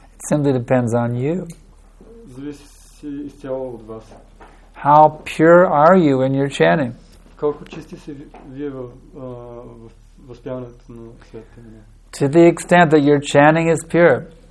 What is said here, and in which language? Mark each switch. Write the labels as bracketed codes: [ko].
[en] It simply depends on you. [bg] Зависи изцяло от вас. [en] How pure are you in your chanting? [bg] Колко чисти си вие в възпяването на святите имена? [en] To the extent that your chanting is pure.